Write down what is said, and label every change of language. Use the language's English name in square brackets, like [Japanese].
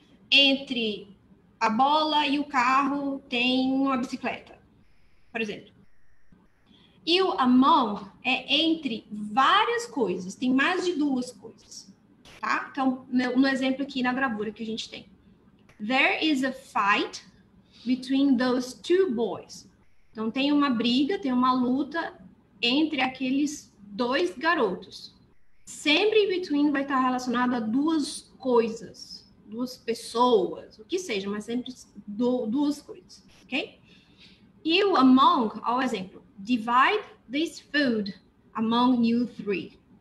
[Portuguese] Entre a bola e o carro tem uma bicicleta, por exemplo. E o among é entre várias coisas, tem mais de duas coisas, tá? Então, no exemplo aqui na gravura que a gente tem. [English] There is a fight between those two boys. [Portuguese] Então, tem uma briga, tem uma luta entre aqueles dois garotos. Sempre between vai estar relacionado a duas coisas, duas pessoas, o que seja, mas sempre duas coisas, ok? E o among, ao exemplo, [English] divide this food among you three.